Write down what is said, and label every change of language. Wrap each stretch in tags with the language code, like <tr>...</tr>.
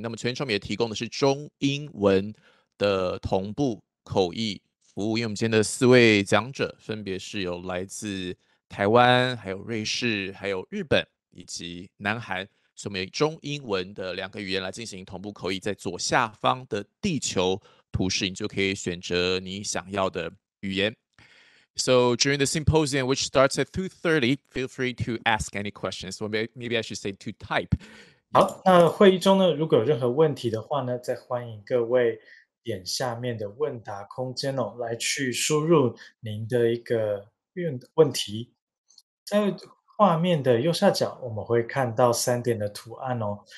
<zh>那么全程也提供的是中英文的同步口译服务，因为我们今天的4位讲者分别是有来自台湾、还有瑞士、还有日本以及南韩，所以我们以中英文的2个语言来进行同步口译。在左下方的地球图示，你就可以选择你想要的语言。</zh> <en>So during the symposium, which starts at 2:30, feel free to ask any questions. So maybe I should say to type.</en> <zh>好，那会议中呢，如果有任何问题的话呢，再欢迎各位点下面的问答空间哦，来去输入您的一个问题。在画面的右下角，我们会看到3点的图案哦。</zh>